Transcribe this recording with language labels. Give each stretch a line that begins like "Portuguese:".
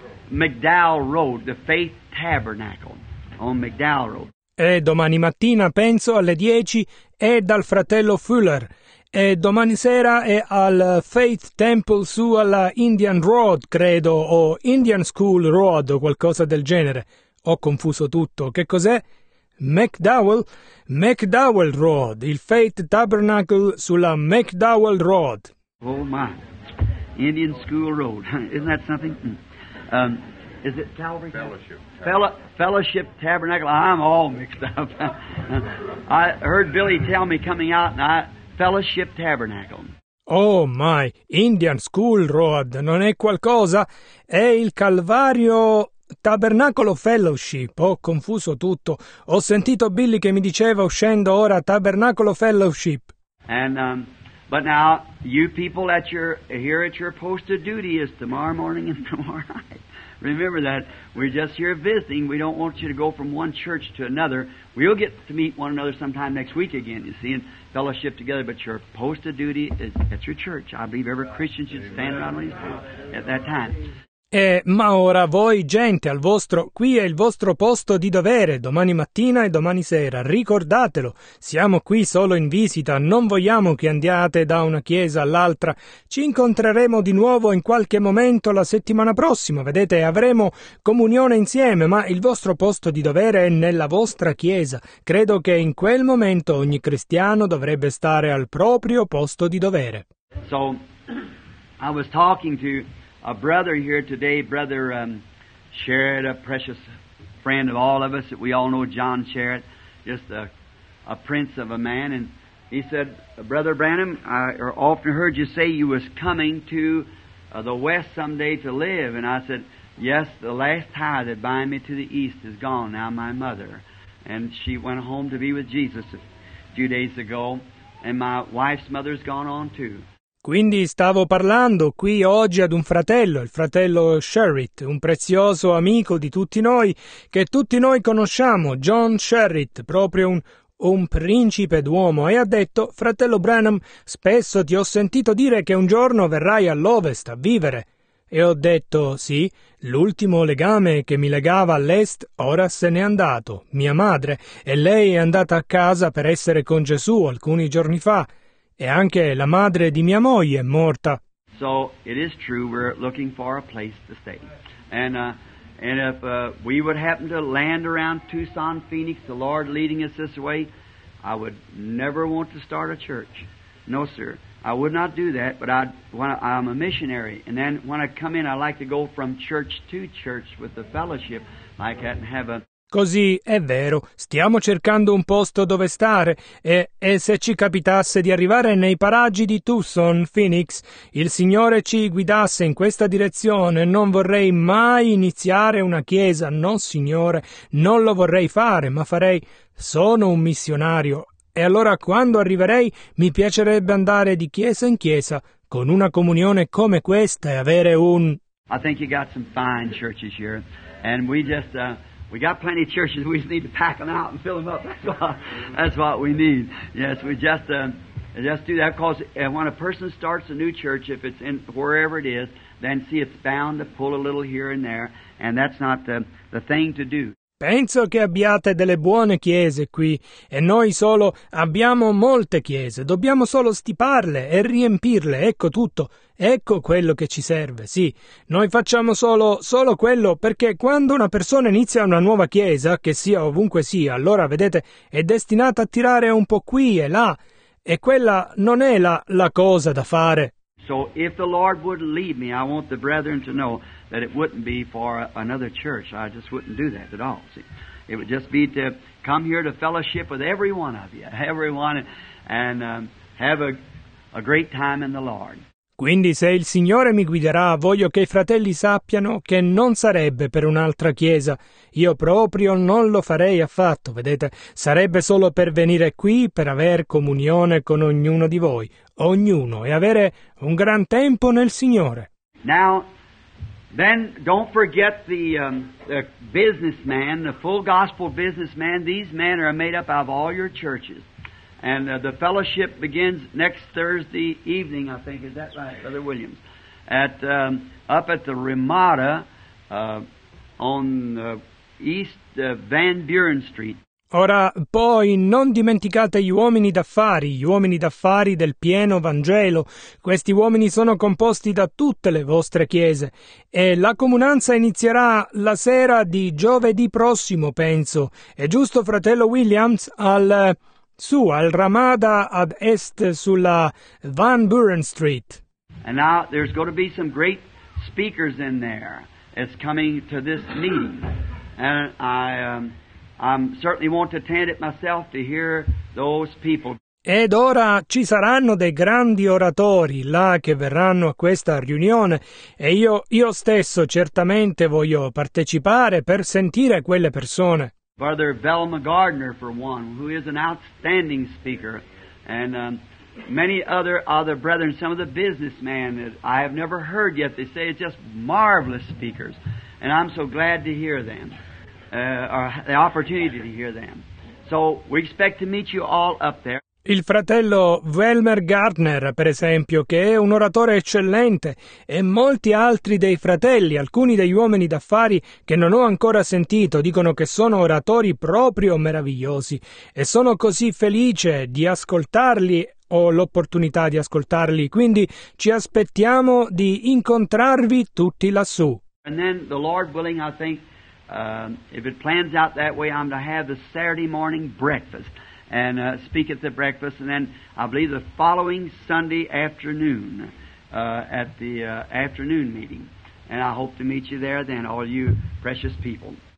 English: McDowell Road, the Faith Tabernacle on McDowell Road.
Italian: E domani mattina, penso, alle 10, è dal fratello Fuller. E domani sera è al Faith Temple su alla Indian Road, credo, o Indian School Road, o qualcosa del genere. Ho confuso tutto. Che cos'è? McDowell Road, il Faith Tabernacle sulla McDowell Road.
English: Oh, my. Indian School Road. Isn't that something? Is it Calvary? Fellowship. Fellowship Tabernacle. I'm all mixed up. I heard Billy tell me coming out, and Fellowship Tabernacle. Oh my,
Italian: Indian School Road, non è qualcosa? È il Calvario Tabernacolo Fellowship. Ho confuso tutto. Ho sentito Billy che mi diceva uscendo ora Tabernacolo Fellowship.
English: And but now you people at your here at your post of duty is tomorrow morning and tomorrow night. Remember that. We're just here visiting. We don't want you to go from one church to another. We'll get to meet one another sometime next week again, you see, and fellowship together. But your post of duty is at your church. I believe every Christian should stand around on his feet at that time.
Italian: Ma ora voi, gente, al vostro, qui è il vostro posto di dovere, domani mattina e domani sera, ricordatelo, siamo qui solo in visita, non vogliamo che andiate da una chiesa all'altra, ci incontreremo di nuovo in qualche momento la settimana prossima, vedete, avremo comunione insieme, ma il vostro posto di dovere è nella vostra chiesa, credo che in quel momento ogni cristiano dovrebbe stare al proprio posto di dovere.
English: So, I was talking to a brother here today, Brother Sherrod, a precious friend of all of us, that we all know, John Sherrod, just a prince of a man. And he said, Brother Branham, I often heard you say you was coming to the West someday to live. And I said, yes, the last tie that bind me to the East is gone now, my mother. And she went home to be with Jesus a few days ago. And my wife's mother's gone on too.
Italian: Quindi stavo parlando qui oggi ad un fratello, il fratello Sherritt, un prezioso amico di tutti noi, che tutti noi conosciamo, John Sherritt, proprio un principe d'uomo, e ha detto: fratello Branham, spesso ti ho sentito dire che un giorno verrai all'Ovest a vivere. E ho detto: sì, l'ultimo legame che mi legava all'Est ora se n'è andato, mia madre, e lei è andata a casa per essere con Gesù alcuni giorni fa. E anche la madre di mia moglie è morta.
English: So it is true we're looking for a place to stay. And if we would happen to land around Tucson, Phoenix, the Lord leading us this way, I would never want to start a church. No, sir. I would not do that, but I'm a missionary. And then when I come in, I like to go from church to church with the fellowship like that and have a
Italian: Così è vero, stiamo cercando un posto dove stare e se ci capitasse di arrivare nei paraggi di Tucson, Phoenix, il Signore ci guidasse in questa direzione, non vorrei mai iniziare una chiesa, no Signore, non lo vorrei fare, ma farei, sono un missionario, e allora quando arriverei mi piacerebbe andare di chiesa in chiesa con una comunione come questa e avere un...
English: I think you got some fine churches here, and we just... We got plenty of churches. We just need to pack them out and fill them up. That's what we need. Yes, we just do that. Because when a person starts a new church, if it's in wherever it is, then see, it's bound to pull a little here and there, and that's not the thing to do.
Italian: Penso che abbiate delle buone chiese qui, e noi solo abbiamo molte chiese. Dobbiamo solo stiparle e riempirle, ecco tutto. Ecco quello che ci serve, sì. Noi facciamo solo quello, perché quando una persona inizia una nuova chiesa, che sia ovunque sia, allora, vedete, è destinata a tirare un po' qui e là. E quella non è la cosa da fare.
English: So if the Lord would lead me, I want the brethren to know that it wouldn't be for another church. I just wouldn't do that at all. See, it would just be to come here to fellowship with every one of you, everyone, and have a great time in the Lord.
Italian: Quindi se il Signore mi guiderà, voglio che i fratelli sappiano che non sarebbe per un'altra chiesa. Io proprio non lo farei affatto, vedete? Sarebbe solo per venire qui, per aver comunione con ognuno di voi, ognuno, e avere un gran tempo nel Signore.
English: Now, then don't forget the businessman, the full gospel businessman. These men are made up of all your churches. And the fellowship begins next Thursday evening, I think. Is that right, Brother Williams? Up at the Ramada on East Van Buren Street.
Italian: Ora, poi, non dimenticate gli uomini d'affari del pieno Vangelo. Questi uomini sono composti da tutte le vostre chiese. E la comunanza inizierà la sera di giovedì prossimo, penso. È giusto, fratello Williams, al Ramada ad est sulla Van Buren Street.
English: And now there's going to be some great speakers in there. It's coming to this meeting. And I certainly want to attend it myself to hear those people.
Italian: Ed ora ci saranno dei grandi oratori là che verranno a questa riunione e io stesso certamente voglio partecipare per sentire quelle persone.
English: Brother Velma Gardner, for one, who is an outstanding speaker, and many other brethren, some of the businessmen that I have never heard yet, they say it's just marvelous speakers, and I'm so glad to hear them, or the opportunity to hear them. So we expect to meet you all up there.
Italian: Il fratello Velmer Gardner, per esempio, che è un oratore eccellente, e molti altri dei fratelli, alcuni degli uomini d'affari che non ho ancora sentito, dicono che sono oratori proprio meravigliosi, e sono così felice di ascoltarli, ho l'opportunità di ascoltarli, quindi ci aspettiamo di incontrarvi tutti lassù.
English: And then, the Lord willing, I think, if it plans out that way, I'm to have the Saturday morning breakfast. And speak at the breakfast, and then I believe the following Sunday afternoon at the afternoon meeting. And I hope to meet you there then, all you precious people.